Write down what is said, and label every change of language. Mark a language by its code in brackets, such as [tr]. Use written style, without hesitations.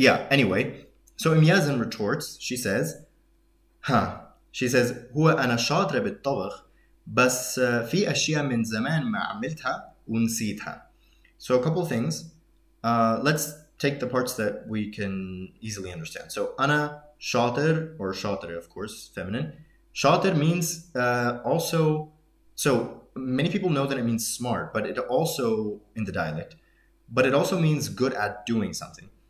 [en] Anyway, so Imyazin retorts. She says, "Huh." She says, [ar] "هو أنا شاطر بالطبخ بس في أشياء من زمان ما عملتها ونسيتها." [en] So a couple of things. Let's take the parts that we can easily understand. So Anna Shatir, or Shatir, of course, feminine. Shatir means also, so many people know that it means smart, but it also, in the dialect, but it also means good at doing something.